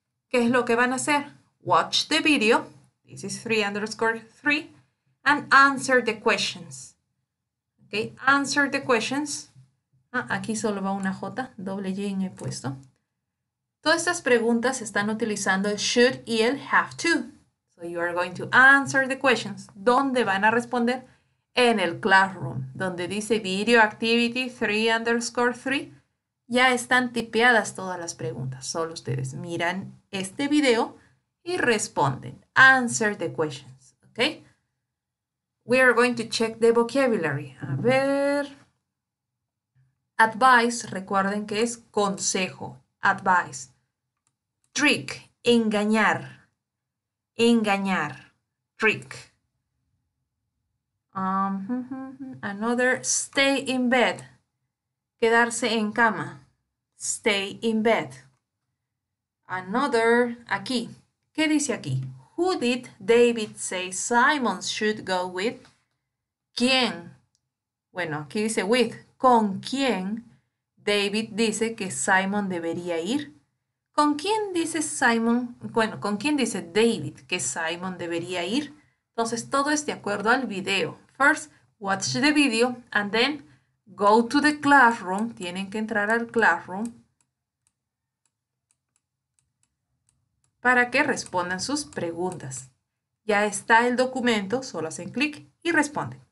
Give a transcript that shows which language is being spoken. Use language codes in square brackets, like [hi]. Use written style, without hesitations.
[es] ¿Qué es lo que van a hacer? [en] Watch the video. This is 3_3. And answer the questions. Okay, answer the questions. [es] Ah, aquí solo va una J, doble Y en el puesto. Todas estas preguntas están utilizando el should y el have to. [en] So you are going to answer the questions. [es] ¿Dónde van a responder? En el Classroom, donde dice Video Activity 3_3. Ya están tipeadas todas las preguntas. Solo ustedes miran este video y responden. [en] Answer the questions, ¿ok? We are going to check the vocabulary. [es] A ver. Advice, recuerden que es consejo. Advice. Trick, engañar. Engañar. Trick. [en] Another, stay in bed. [es] Quedarse en cama. [en] Stay in bed. [es] Another, aquí. ¿Qué dice aquí? [en] Who did David say Simon should go with? [es] ¿Quién? Bueno, aquí dice with. ¿Con quién David dice que Simon debería ir? ¿Con quién dice Simon? Bueno, ¿con quién dice David que Simon debería ir? Entonces, todo es de acuerdo al video. [en] First, watch the video and then go to the classroom. [es] Tienen que entrar al classroom para que respondan sus preguntas. Ya está el documento, solo hacen clic y responden.